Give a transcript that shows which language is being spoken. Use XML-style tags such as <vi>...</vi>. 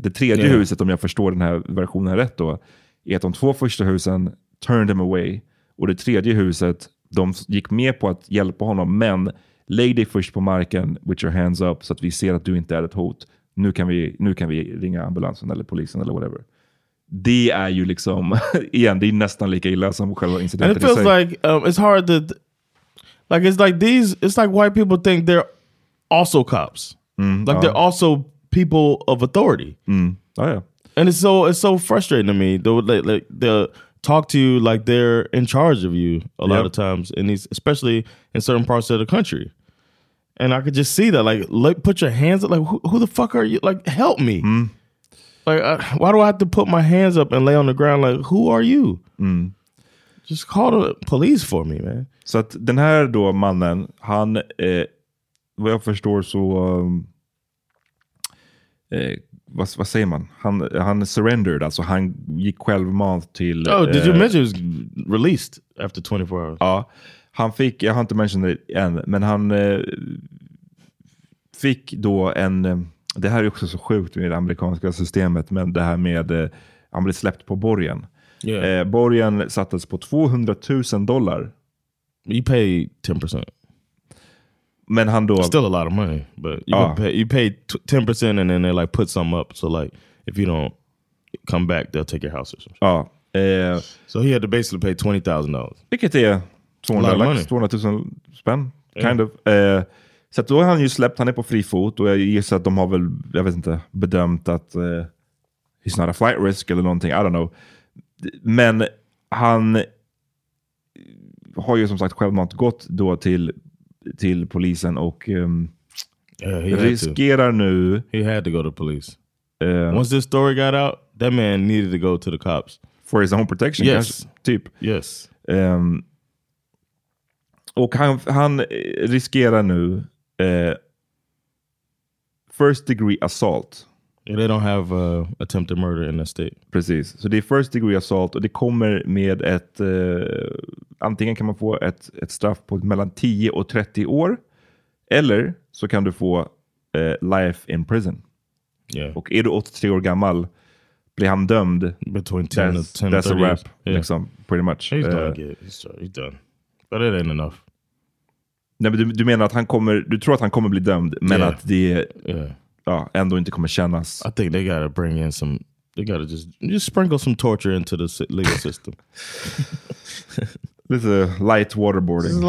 <sv>Det tredje huset, om jag förstår den här versionen rätt då, är att de två första husen</sv> <en>turned him away,</en> <sv>och det tredje huset, de gick med på att hjälpa honom, men lägg dig först på marken</sv> <en>with your hands up</en> <sv>så att vi ser att du inte är ett hot. Nu kan vi ringa ambulansen eller polisen eller whatever. Det är ju liksom, igen, det är nästan lika illa som själva incidenten.</sv> <en>And it feels like, it's hard to, like, it's like these, it's like white people think they're also cops. They're also people of authority. And it's so frustrating to me, talk to you like they're in charge of you a lot of times, and these, especially in certain parts of the country. And I could just see that, like, put your hands up, like, who the fuck are you? Like, help me. Why do I have to put my hands up and lay on the ground? Like, who are you? Just call the police for me, man.</en> <sv>Så att den här då mannen, han, vad jag förstår så, vad säger man? Han surrendered, alltså han gick självmant till...</sv> <en>Oh, did you mention he was released after 24 hours?</en> <sv>Ja, han fick, jag har inte mentioned det än, men han fick då en... Det här är också så sjukt med det amerikanska systemet, men det här med... han blev släppt på borgen.</sv> <en>Yeah.</en> <sv>Borgen sattes på $200,000.</sv> <en>You pay 10%.</en> <sv>Men han då,</sv> <en>still a lot of money, but you pay 10% and then they like put something up, so like if you don't come back they'll take your house or something. So he had to basically pay $20,000.</en> <sv>Vilket är 200,000 spänn,</sv> <en>kind of.</en> <sv>Så då har han ju släppt, han är på fri fot, och jag gissar att de har väl, jag vet inte, bedömt att</sv> <en>he's not a flight risk</en> <sv>eller någonting,</sv> <en>I don't know.</en> <sv>Men han har ju som sagt självmant gått då till polisen och riskerar nu...</sv> <en>He had to go to police. Once this story got out, that man needed to go to the cops. For his own protection? Yes.</en> <sv>Typ.</sv> <en>Yes.</en> <sv>Och han riskerar nu</sv> <en>first degree assault. Yeah, they don't have attempted murder in the state.</en> <sv>Precis. Så det är</sv> <en>first degree assault,</en> <sv>och det kommer med ett... antingen kan man få ett straff på mellan 10 och 30 år, eller så kan du få</sv> <en>life in prison. Yeah.</en> <sv>Och är du 83 år gammal blir han dömd.</sv> <en>Between 10 and 10 that's 30 a wrap, yeah. Liksom, pretty much. He's done. But it ain't enough.</en> <sv>Nej, men du menar att du tror att han kommer bli dömd, men att det ändå inte kommer kännas.</sv> <en>I think they gotta bring in some... They gotta just sprinkle some torture into the legal system. Lite light waterboarding.</en>